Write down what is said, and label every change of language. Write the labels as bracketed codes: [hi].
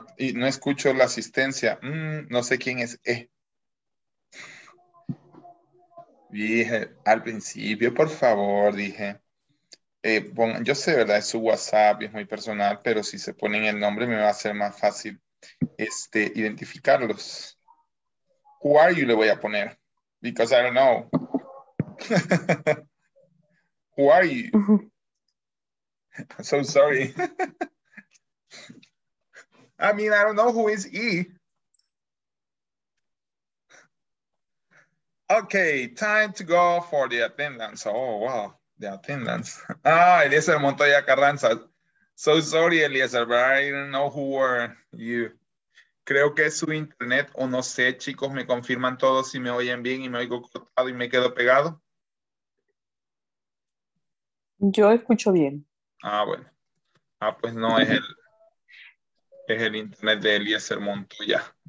[es] Y no escucho la asistencia. No sé quién es. Dije, al principio, por favor, dije, yo sé, ¿verdad? Es su WhatsApp, es muy personal, pero si se ponen el nombre me va a ser más fácil identificarlos. [en] Who are you [es] le voy a poner, [en] because I don't know. Who are you? So sorry. I mean, I don't know who is E. Okay, time to go for the attendance. Oh, wow, the attendance. Ah, Eliezer Montoya Carranza. So sorry, Eliezer, but I don't know who were you. [es] Creo que es su internet o no sé, chicos, me confirman todo si me oyen bien y me oigo cortado y me quedo pegado. Yo escucho bien. Ah, bueno. Ah, pues no, es el... Es el internet de Eliezer Montoya.